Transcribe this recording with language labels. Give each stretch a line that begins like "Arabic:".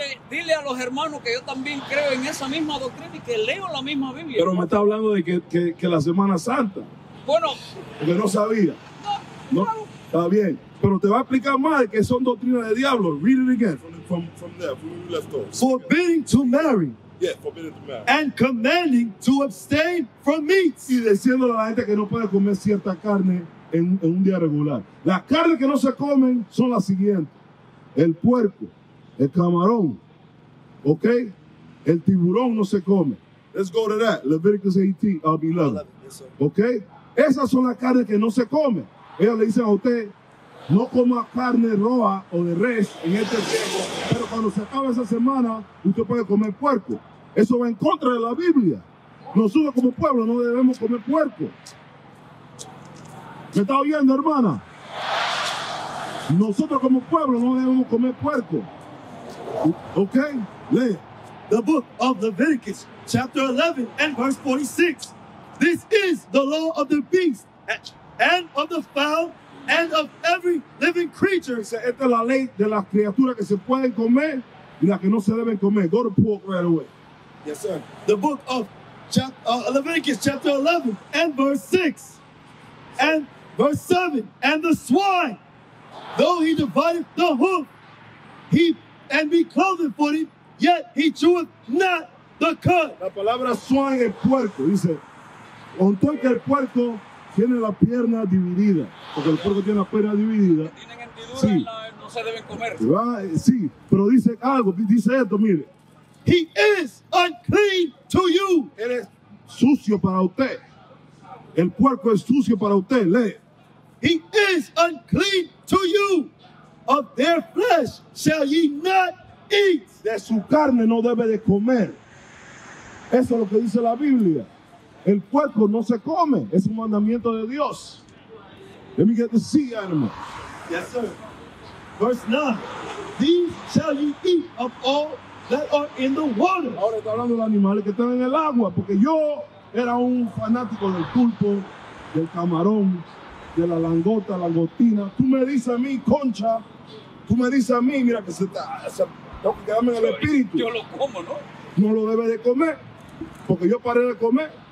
Spanish: Dile a los hermanos que yo también creo en esa misma doctrina y que leo la misma Biblia. Pero me está hablando de que la Semana Santa. Bueno. Porque no sabía. No, claro. Está bien. Pero te va a explicar más de que son doctrinas de diablo.
English: Read it again. From there, from left off. Forbidding to marry. Yeah, forbidden to marry. And commanding to abstain from meats.
Spanish: Y diciendo a la gente que no puede comer cierta carne en un día regular. Las carnes que no se comen son las siguientes. El puerco, el camarón, ¿ok? El tiburón no se come.
English: Let's go to that. Leviticus 18, 11. Yes,
Spanish: ¿ok? Esas son las carnes que no se comen. Ellos le dicen a usted, no coma carne roja o de res en este tiempo. Pero cuando se acaba esa semana, usted puede comer puerco. Eso va en contra de la Biblia. Nosotros como pueblo no debemos comer puerco. ¿Me está oyendo, hermana? Nosotros como pueblo no debemos comer puerco. ¿Ok? Lee.
English: The book of Leviticus, chapter 11 and verse 46. This is the law of the beast and of the fowl. And of every living creature.
Spanish: Dice, esta es la ley de las criaturas que se pueden comer y las que no se deben comer.
English: Go to pork right away. Yes, sir. The book of Leviticus, chapter 11, and verse 6. And verse 7. And the swine, though he divideth the hoof, he and be clothed for him, yet he cheweth not the cud.
Spanish: La palabra
English: swine
Spanish: es puerco. Dice, con todo que el puerco... Tiene la pierna dividida, porque el puerco tiene la pierna dividida. Tienen hendidura, sí. No se deben comer. Sí, pero dice algo, dice esto, mire.
English: He is unclean to you.
Spanish: Él es sucio para usted. El puerco es sucio para usted, lee.
English: He is unclean to you. Of their flesh shall ye not eat.
Spanish: De su carne no debe de comer. Eso es lo que dice la Biblia. El puerco no se come. Es un mandamiento de Dios.
English: Let me get the sea animal. Yes, sir. Verse 9. These shall you eat of all that are in the water.
Spanish: Ahora está hablando de los animales que están en el agua. Porque yo era un fanático del pulpo, del camarón, de la langosta, langostina. Tú me dices a mí, concha. Tú me dices a mí, mira que se está. Tengo que quedarme en el espíritu. Yo lo como, ¿no? No lo debe de comer. Porque yo paré de comer.